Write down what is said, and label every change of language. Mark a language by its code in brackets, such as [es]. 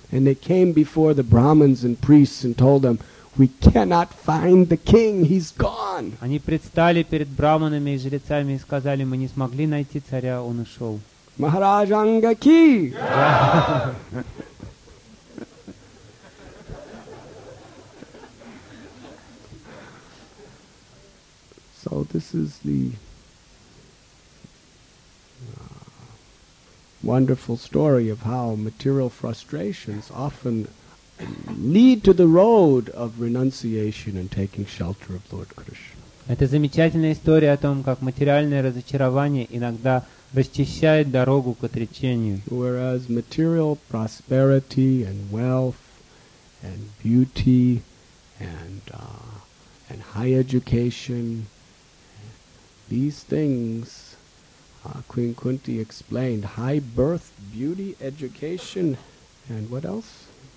[en] And they came before the brahmins and priests and told them, "We cannot find the king. He's gone." [ru] Они предстали перед браманами и жрецами и сказали: "Мы не смогли найти царя, он ушел." Maharaj Anga ki. [en] So this is the wonderful story of how material frustrations often lead to the road of renunciation and taking shelter of Lord Krishna. [ru] Это замечательная история о том, как материальное разочарование иногда расчищает дорогу к отречению. [en] Whereas material prosperity and wealth and beauty and high education, these things, Queen Kunti explained, high birth, beauty, education, and what else?